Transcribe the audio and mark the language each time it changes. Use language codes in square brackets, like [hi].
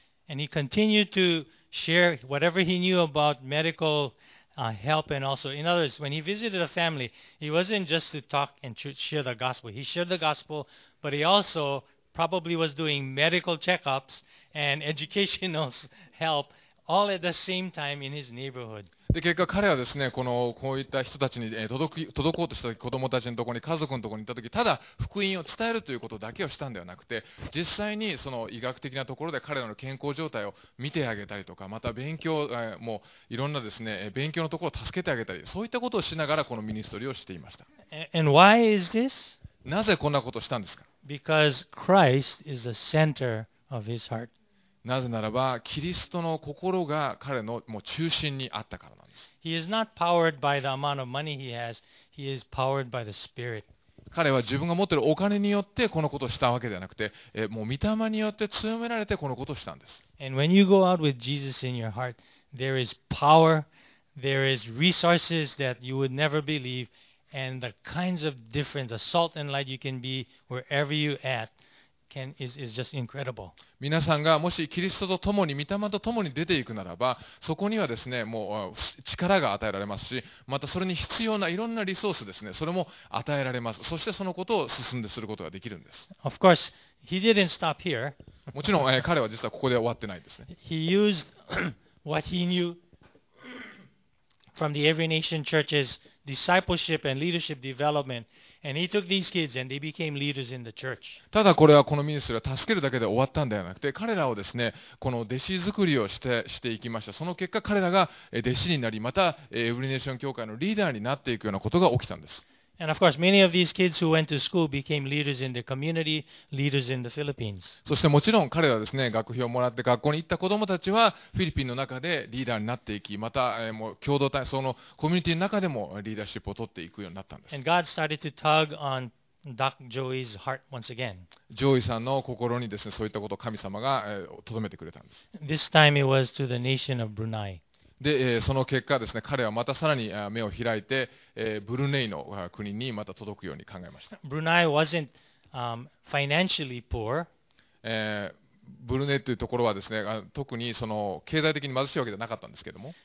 [en] And he continued to share whatever he knew about medical help and also in other words when he visited a family he wasn't just to talk and to share the gospel he shared the gospel but he alsoprobably was doing medical checkups and educational help all at the same time in his neighborhood. [ja] で結果彼はですねこういった人たちに届こうとした時子供たちのところに家族のところに行った時ただ福音を伝えるということだけをしたんではなくて実際にその医学的なところで彼らの健康状態を見てあげたりとかまた勉強もういろんなですね勉強のところを助けてあげたりそういったことをしながらこのミニストリーをしていました。 [en] And why is this? [ja] なぜこんなことをしたんですか？ [en] Because Christ is the center of his heart. [ja] なぜならば、キリストの心が彼のもう中心にあったからなんです。 [en] He is not powered by the amount of money he has. He is powered by the Spirit. [ja] 彼は自分が持っているお金によってこのことをしたわけではなくて、もう御霊によって強められてこのことをしたんです。 [en] And when you go out with Jesus in your heart, there is power, there is resources that you would never believe. And the kinds of difference, the salt and light you can be wherever you at, is just incredible. [ja] 皆さんがもしキリストと共に、御霊と共に出ていくならば、そこにはですね、もう力が与えられますし、またそれに必要ないろんなリソースですね、それも与えられます。そしてそのことを進んですることができるんです。 [en] Of course, he didn't stop here. [ja] もちろん、彼は実はここで終わってないですね。 [en] He used what he knew from the Every Nation Churches. Discipleship and leadership development, and he took these kids and they became leaders in the church. [ja] ただこれはこのミニストリーを助けるだけで終わったんではなくて、彼らをですね、この弟子作りをしていきました。その結果、彼らが弟子になり、またエブリネーション教会のリーダーになっていくようなことが起きたんです。 [en] And of course, many of these kids who went to school became leaders in the community, leaders in the Philippines. [ja] そしてもちろん彼らですね、学費をもらって学校に行った子どもたちはフィリピンの中でリーダーになっていき、またもう共同体そのコミュニティの中でもリーダーシップを取っていくようになったんです。 [en] And God started to tug on Doc Joey's heart once again. [ja] ジョイさんの心にですね、そういったことを神様が留めてくれたんです。 [en] This time it was to the nation of Brunei. [ja] でその結果ですね、彼はまたさらに目を開いて、ブルネイの国にまた届くように考えました。 [en] Brunei wasn't financially poor. [ja] ブルネというところはですね、特にその経済的に貧しいわけではなかったんですけども。